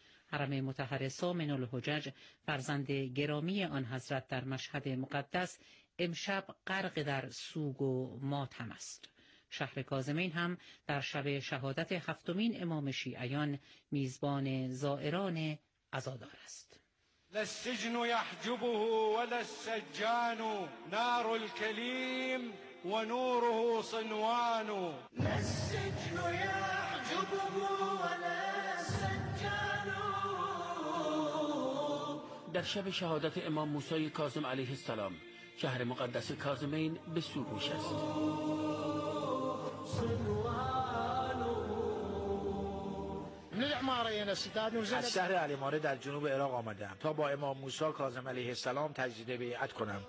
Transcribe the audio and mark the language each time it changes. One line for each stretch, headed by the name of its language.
Persian: حرم مطهر سامن الحجج، فرزند گرامی آن حضرت در مشهد مقدس، امشب غرق در سوگ و ماتم است. شهر کاظمین هم در شب شهادت هفتمین امام شیعیان میزبان زائران عزادار است.
Arabic: لا السجن يحجبه ولا السجان نار الكليم ونوره صنوان لا السجن يحجبه ولا السجان.
Persian: در شب شهادت امام موسی کاظم علیه السلام شهر مقدس کاظمین به سوگ می‌شست. از شهر علی‌ماره در جنوب عراق آمدم تا با امام موسی کاظم علیه السلام تجدید بیعت کنم.